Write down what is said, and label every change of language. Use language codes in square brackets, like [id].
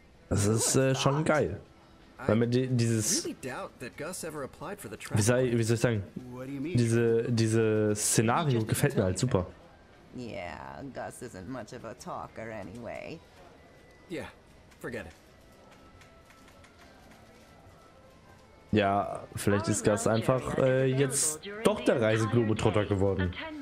[de] Das ist schon geil. Weil mir dieses... Wie soll ich sagen? Diese Szenario gefällt mir halt super. [en] Ja, Gus isn't much of a talker anyway. Yeah, forget it. [de] Ja, vielleicht ist Gus einfach jetzt doch der Reiseglobetrotter geworden.